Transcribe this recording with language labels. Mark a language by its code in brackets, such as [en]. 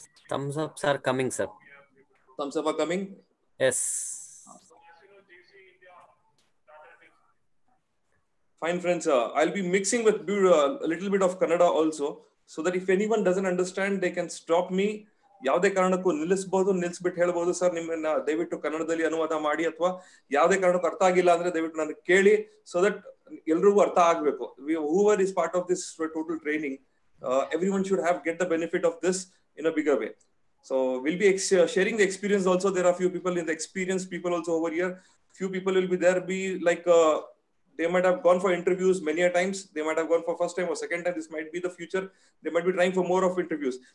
[en] Thumbs ups are coming, sir. Thumbs up are coming? Yes. Fine, friends. I'll be mixing with a little bit of Kannada also, so that if anyone doesn't understand, they can stop me. [kn] ಯಾವುದೇ ಕಾರಣಕ್ಕೂ ನಿಲ್ಲಿಸಬಹುದು, ನಿಲ್ಲಿಸ್ಬಿಟ್ಟು ಹೇಳ್ಬಹುದು sir ನಿಮ್ಮನ್ನ, ದಯವಿಟ್ಟು ಕನ್ನಡದಲ್ಲಿ ಅನುವಾದ ಮಾಡಿ, ಅಥವಾ ಯಾವುದೇ ಕಾರಣಕ್ಕೂ ಅರ್ಥ ಆಗಿಲ್ಲ ಅಂದ್ರೆ ದಯವಿಟ್ಟು ನನಗೆ ಕೇಳಿ, [en] so that [kn] ಎಲ್ರಿಗೂ ಅರ್ಥ ಆಗ್ಬೇಕು. [en] Whoever is part of this total training, everyone should have get the benefit of this in a bigger way. So we'll be sharing the experience also. There are a few people in the experienced people also over here. Few people will be there, be like, they might have gone for interviews many a times. They might have gone for first time or second time. This might be the future. They might be trying for more of interviews.